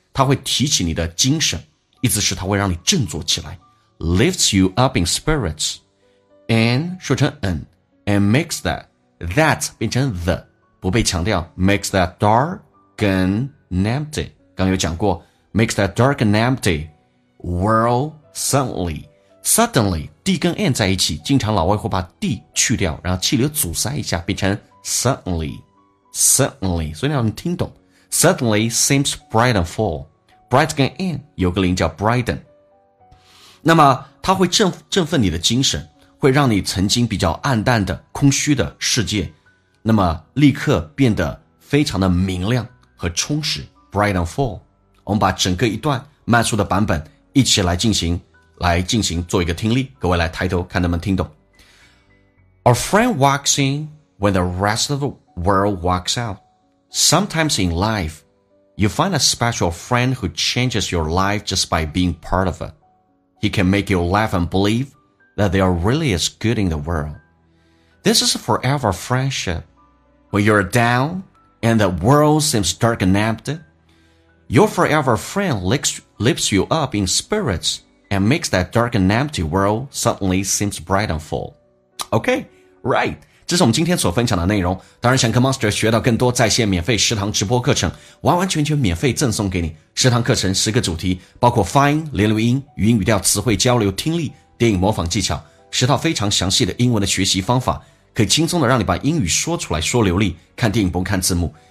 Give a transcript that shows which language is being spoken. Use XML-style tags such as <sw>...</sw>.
<zh>它会提起你的精神，意思是它会让你振作起来。</zh> <en>Lifts you up in spirits. And 说成 an, and makes that, that 变成 the,</en> <zh>不被强调</zh> <en>makes that dark and empty.</en> <zh>刚有讲过</zh> <en>makes that dark and empty. World suddenly, suddenly,</en> <zh>D 跟 N 在一起，经常老外会把 D 去掉，然后气流阻塞一下，变成 suddenly, suddenly, 所以你要能听懂。</zh> <en>Suddenly seems bright and full. Bright 跟 in</en> <zh>有个零叫</zh> <en>brighten.</en> <zh>那么它会振奋你的精神，会让你曾经比较暗淡的空虚的世界，那么立刻变得非常的明亮和充实。</zh> <en>Bright and full.</en> <zh>我们把整个一段慢速的版本一起来进行做一个听力，各位来抬头看能不能听懂。</zh> <en>A friend walks in when the rest of the world walks out. Sometimes in life, you find a special friend who changes your life just by being part of it. He can make you laugh and believe that there are really is good in the world. This is a forever friendship. When you're down and the world seems dark and empty, your forever friend lifts you up in spirits and makes that dark and empty world suddenly seems bright and full. Okay, right.</en> <zh>这是我们今天所分享的内容。当然想跟 Master 学到更多在线免费食堂直播课程，完完全全免费赠送给你。食堂课程十个主题，包括发音、连读音、语音语调、词汇交流、听力、电影模仿技巧，十套非常详细的英文的学习方法，可以轻松的让你把英语说出来说流利，看电影不用看字幕。</zh>